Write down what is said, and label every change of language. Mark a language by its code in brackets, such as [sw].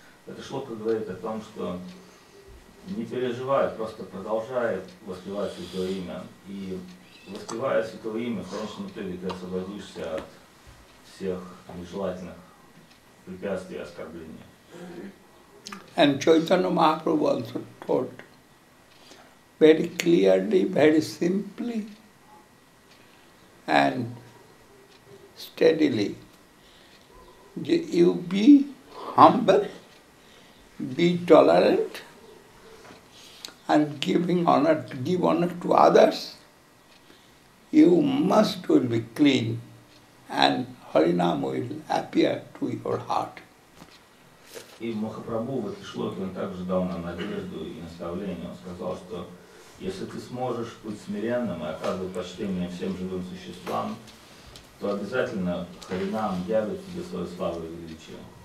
[ru] Эта шлока говорит о том, что не переживай, просто продолжай воспевать святое имя. И воспевая святое имя, в конечном итоге ты освободишься от всех нежелательных препятствий и оскорблений. [en] And Chaitanya Mahaprabhu also taught very clearly, very simply, and steadily. You be humble, be tolerant, and give honor to others. You must will be clean, and Harinam will appear to your heart. [ru] И Махапрабху в этой шлоке он также дал нам надежду и наставление. Он сказал, что если ты сможешь быть смиренным и оказывать почтение всем живым существам, то обязательно Харинам явит тебе свою славу и величие.